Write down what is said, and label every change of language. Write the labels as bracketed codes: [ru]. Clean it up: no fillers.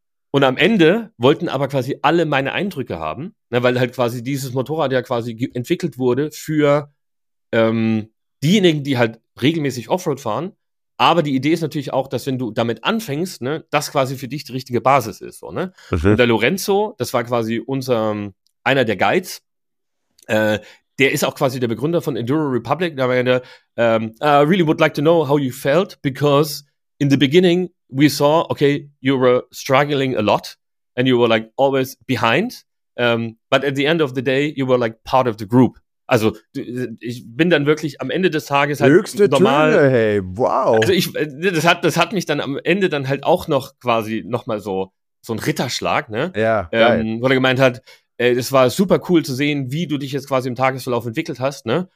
[de] Und am Ende wollten aber quasi alle meine Eindrücke haben, ne, weil halt quasi dieses Motorrad ja quasi entwickelt wurde für diejenigen, die halt regelmäßig Offroad fahren. Aber die Idee ist natürlich auch, dass wenn du damit anfängst, ne, das quasi für dich die richtige Basis ist. So, ne? Und der Lorenzo, das war quasi einer der Guides, der ist auch quasi der Begründer von Enduro Republic. Da war ja der, [en] I really would like to know how you felt, because in the beginning, we saw, okay, you were struggling a lot and you were like always behind. But at the end of the day, you were like part of the group. [de] Also, ich bin dann wirklich am Ende des Tages halt höchste normal. Töne, hey, wow. Also, das hat mich dann am Ende dann halt auch noch quasi nochmal so ein Ritterschlag, ne? Ja. Wo er gemeint hat, es war super cool zu sehen, wie du dich jetzt quasi im Tagesverlauf entwickelt hast, ne?